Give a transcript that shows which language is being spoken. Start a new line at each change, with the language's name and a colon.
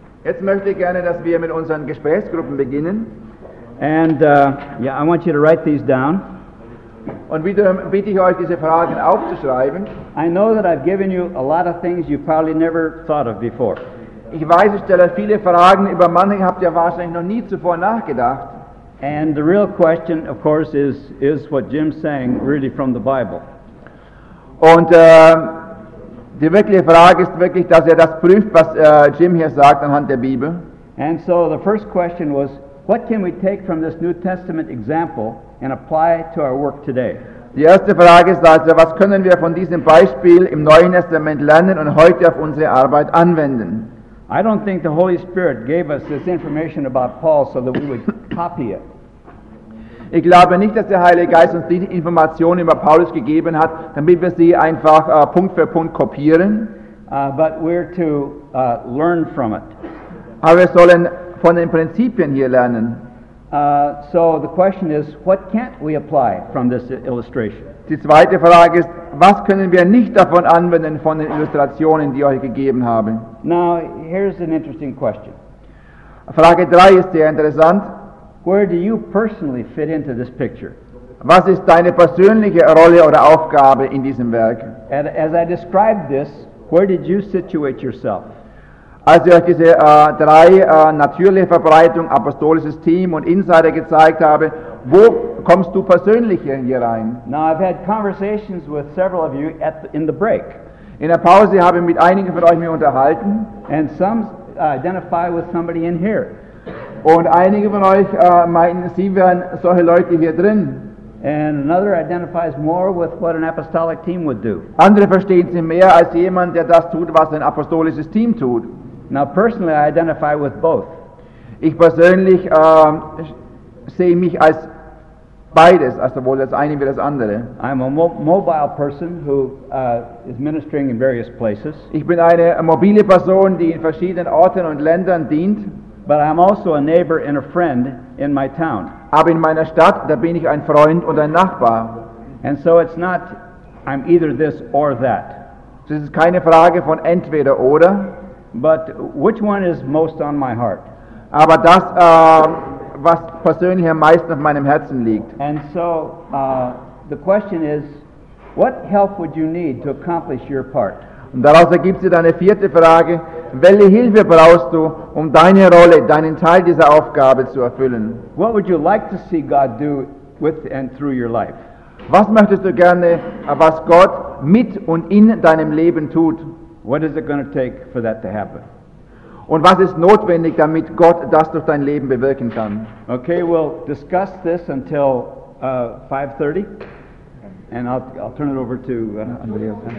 German: Jetzt möchte ich gerne, dass wir mit unseren Gesprächsgruppen beginnen.
English: And I want you to write these down.
German: Und wiederum bitte ich euch, diese Fragen aufzuschreiben.
English: I know that I've given you a lot of things you probably never thought of before.
German: Ich weiß, ich stelle viele Fragen, über manche habt ihr wahrscheinlich noch nie zuvor nachgedacht.
English: And the real question, of course, is what Jim's saying really from the Bible?
German: Und die wirkliche Frage ist wirklich, dass er das prüft, was Jim hier sagt anhand der Bibel.
English: And so the first question was, what can we take from this New Testament example and apply it to our work today?
German: Die erste Frage ist also, was können wir von diesem Beispiel im Neuen Testament lernen und heute auf unsere Arbeit anwenden?
English: I don't think the Holy Spirit gave us this information about Paul so that we would copy it.
German: Ich glaube nicht, dass der Heilige Geist uns diese Informationen über Paulus gegeben hat, damit wir sie einfach Punkt für Punkt kopieren.
English: But we're to learn from it.
German: Aber wir sollen von den Prinzipien hier lernen.
English: So the question is, what can't we apply from this illustration?
German: Die zweite Frage ist, was können wir nicht davon anwenden von den Illustrationen, die ich euch gegeben habe?
English: Now, here's an interesting question.
German: Frage 3 ist sehr interessant.
English: Where do you personally fit into this picture?
German: Was ist deine persönliche Rolle oder Aufgabe in diesem Werk?
English: And as I described this, where did you situate yourself?
German: Als ich euch diese drei natürliche Verbreitung, apostolisches Team und Insider gezeigt habe, wo kommst du persönlich hier rein?
English: Now I've had conversations with several of you in the break.
German: In der Pause habe ich mit einigen von euch mich unterhalten.
English: And some identify with somebody in here.
German: Und einige von euch meinen, sie wären solche Leute hier drin.
English: And another identifies more with what an apostolic team would do.
German: Andere verstehen sie mehr als jemand, der das tut, was ein apostolisches Team tut.
English: Now personally, I identify with both.
German: Ich persönlich sehe mich als beides, sowohl das eine wie das andere.
English: I'm a mobile person who is ministering in various places.
German: Ich bin eine mobile Person, die in verschiedenen Orten und Ländern dient.
English: But I'm also a neighbor and a friend in my town.
German: Aber in meiner Stadt, da bin ich ein Freund und ein Nachbar.
English: And so it's not, I'm either this or that.
German: Es ist keine Frage von entweder oder.
English: But which one is most on my heart?
German: Aber das, was persönlich am meisten auf meinem Herzen liegt.
English: And so the question is, what help would you need to accomplish your part?
German: Und daraus ergibt sich eine vierte Frage. Welche Hilfe brauchst du, um deine Rolle, deinen Teil dieser Aufgabe zu erfüllen?
English: What would you like to see God do with and through your life?
German: Was möchtest du gerne, was Gott mit und in deinem Leben tut?
English: What is it going to take for that to happen?
German: Und was ist notwendig, damit Gott das durch dein Leben bewirken kann?
English: Okay, we'll discuss this until 5:30, and I'll turn it over to Andreas.